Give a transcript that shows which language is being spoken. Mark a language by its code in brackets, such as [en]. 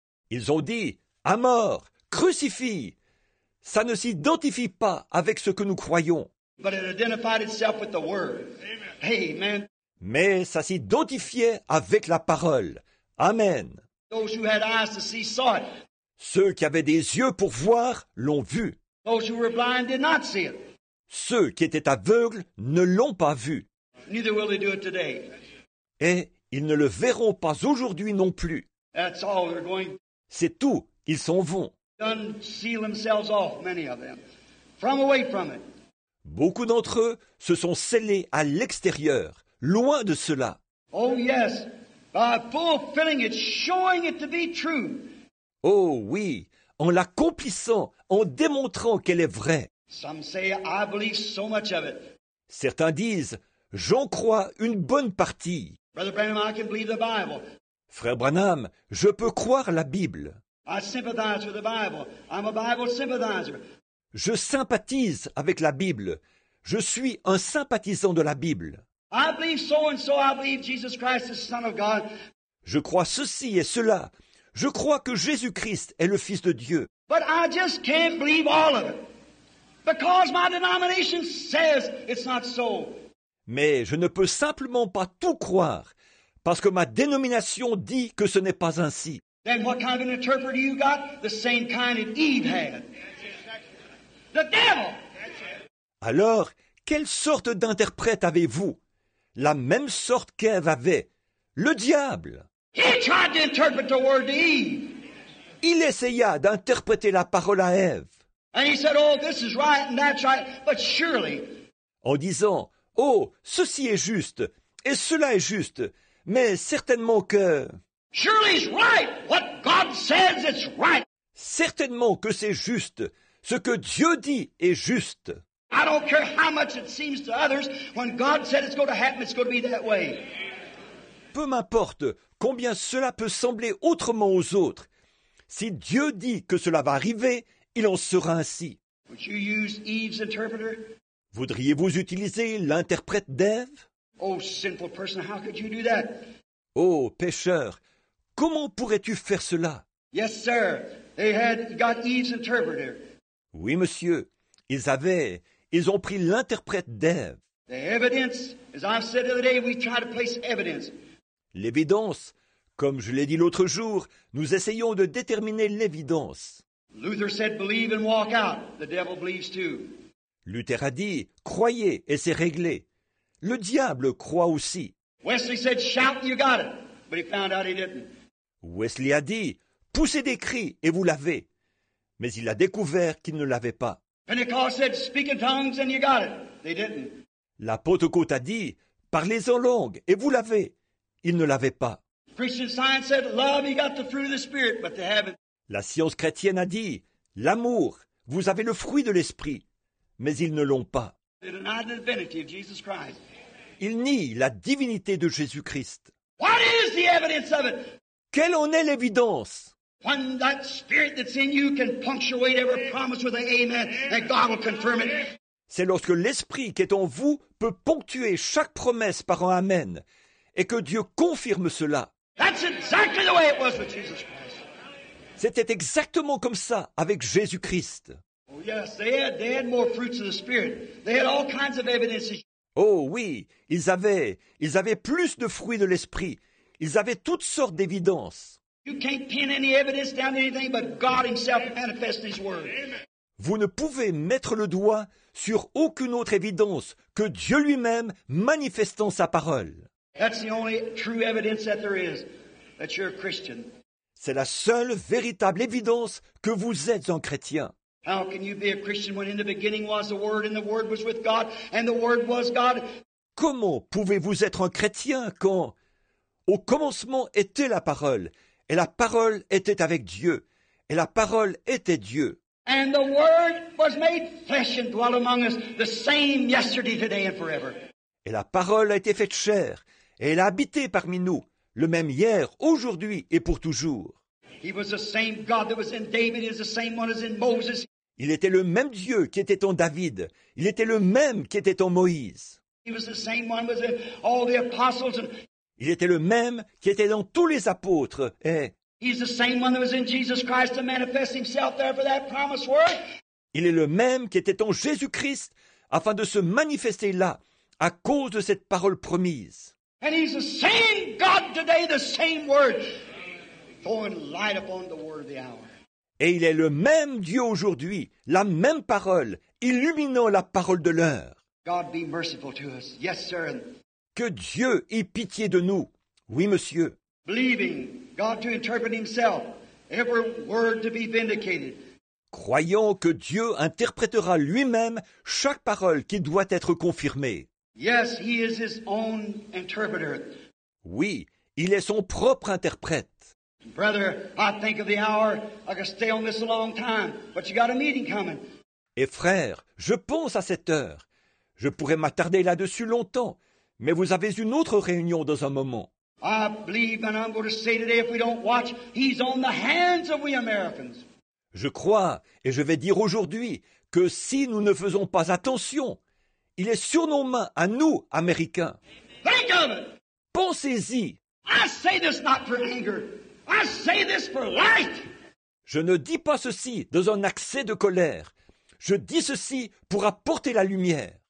[fr] Ils ont dit, à mort, crucifie. Ça ne s'identifie pas avec ce que nous croyons. [en] But it identified itself with the word. Amen. Amen. [fr] Mais ça s'identifiait avec la parole. Amen. [en] Those who had eyes to see saw it. [fr] Ceux qui avaient des yeux pour voir l'ont vu. [en] Those who were blind did not see it. [fr] Ceux qui étaient aveugles ne l'ont pas vu. [en] Neither will they do it today. [fr] Et ils ne le verront pas aujourd'hui non plus. [en] That's all they're going. [fr] C'est tout, ils s'en vont. [en] Unseal themselves off, many of them, from away from it. [fr] Beaucoup d'entre eux se sont scellés à l'extérieur, loin de cela. [en] Oh, yes, by fulfilling it, showing it to be true. [fr] Oh oui, en l'accomplissant, en démontrant qu'elle est vraie. [en] Some say, I believe so much of it. [fr] Certains disent, j'en crois une bonne partie. [en] Brother Branham, I can believe the Bible. [fr] Frère Branham, je peux croire la Bible. [en] I sympathize with the Bible. I'm a Bible sympathizer. [fr] Je sympathise avec la Bible. Je suis un sympathisant de la Bible. [en] I believe so and so. I believe Jesus Christ is the Son of God. [fr] Je crois ceci et cela. Je crois que Jésus-Christ est le Fils de Dieu. [en] But I just can't believe all of it. Because my denomination says it's not so. [fr] Mais je ne peux simplement pas tout croire, parce que ma dénomination dit que ce n'est pas ainsi. [en] Then what kind of an interpreter you got? The same kind that Eve had. The devil! [fr] Alors, quelle sorte d'interprète avez-vous? La même sorte qu'Ève avait. Le diable! [en] He tried to interpret the word to Eve. [fr] Il essaya d'interpréter la parole à Ève. [en] And he said, oh, this is right and that's right, but surely. [fr] En disant, oh, ceci est juste, et cela est juste, mais certainement que... [en] Surely it's right. What God says, it's right. [fr] Certainement que c'est juste. Ce que Dieu dit est juste. [en] I don't care how much it seems to others. When God said it's going to happen, it's going to be that way. [fr] Peu m'importe combien cela peut sembler autrement aux autres. Si Dieu dit que cela va arriver, il en sera ainsi. [en] Would you use Eve's interpreter? [fr] Voudriez-vous utiliser l'interprète d'Ève? [en] Oh, sinful person, how could you do that? [fr] Oh, pécheur, comment pourrais-tu faire cela? [en] Yes, sir. They had got Eve's interpreter. [fr] Oui, monsieur, ils ont pris l'interprète d'Ève. [en] The evidence, as I've said the other day, we try to place evidence. [fr] L'évidence, comme je l'ai dit l'autre jour, nous essayons de déterminer l'évidence. [en] Luther said, believe and walk out. The devil believes too. [fr] Luther a dit, croyez et c'est réglé. Le diable croit aussi. [en] Wesley said, shout, you got it. But he found out he didn't. [fr] Wesley a dit, poussez des cris et vous l'avez. Mais il a découvert qu'il ne l'avait pas. [en] Pentecost said, speak in tongues and you got it. They didn't. [fr] La Pentecôte a dit, parlez en langue et vous l'avez. Il ne l'avait pas. [en] Christian Science said, love, you got the fruit of the Spirit, but they haven't. [fr] La science chrétienne a dit, l'amour, vous avez le fruit de l'Esprit, mais ils ne l'ont pas. [en] They deny the divinity of Jesus Christ. [fr] Il nie la divinité de Jésus-Christ. [en] What is the evidence of it? [fr] Quelle en est l'évidence? [en] When that spirit that's in you can punctuate every promise with an amen, and God will confirm it. [fr] C'est lorsque l'esprit qui est en vous peut ponctuer chaque promesse par un amen, et que Dieu confirme cela. [en] That's exactly the way it was with Jesus Christ. [fr] C'était exactement comme ça avec Jésus-Christ. [en] Oh yes, they had more fruits of the spirit. They had all kinds of evidences. [fr] Oh oui, ils avaient plus de fruits de l'esprit. Ils avaient toutes sortes d'évidences. [en] You can't pin any evidence down anything but God himself manifests his word. [fr] Vous ne pouvez mettre le doigt sur aucune autre évidence que Dieu lui-même manifestant sa parole. [en] That's the only true evidence that there is that you're a Christian. [fr] C'est la seule véritable évidence que vous êtes un chrétien. [en] How can you be a Christian when in the beginning was the Word and the Word was with God and the Word was God? [fr] Comment pouvez-vous être un chrétien quand au commencement était la parole et la parole était avec Dieu et la parole était Dieu? [en] And the Word was made flesh and dwelt among us, the same yesterday, today and forever. [fr] Et la parole a été faite chair et elle a habité parmi nous, le même hier, aujourd'hui et pour toujours. [en] He was the same God that was in David, is the same one as in Moses. [fr] Il était le même Dieu qui était en David. Il était le même qui était en Moïse. [en] He was the same one as in all the apostles. [fr] Il était le même qui était dans tous les apôtres. Et [en] he's the same one that was in Jesus Christ to manifest himself there for that promised word. [fr] Il est le même qui était en Jésus-Christ afin de se manifester là à cause de cette parole promise. [en] And he's the same God today, the same word. Throwing light upon the word of the hour. [fr] Et il est le même Dieu aujourd'hui, la même parole, illuminant la parole de l'heure. [en] God be merciful to us. Yes, sir. [fr] Que Dieu ait pitié de nous. Oui, monsieur. [en] Believing God to interpret himself, every word to be vindicated. [fr] Croyons que Dieu interprétera lui-même chaque parole qui doit être confirmée. [en] Yes, he is his own interpreter. [fr] Oui, il est son propre interprète. [en] Brother, I think of the hour. I could stay on this a long time, but you got a meeting coming. [fr] Et frère, je pense à cette heure. Je pourrais m'attarder là-dessus longtemps, mais vous avez une autre réunion dans un moment. [en] I believe, and I'm going to say today, if we don't watch, he's on the hands of we Americans. [fr] Je crois, et je vais dire aujourd'hui, que si nous ne faisons pas attention, il est sur nos mains, à nous, Américains. [en] Think of it. [fr] Pensez-y. [en] I say this not for anger. I say this for light. [fr] Je ne dis pas ceci dans un accès de colère. Je dis ceci pour apporter la lumière.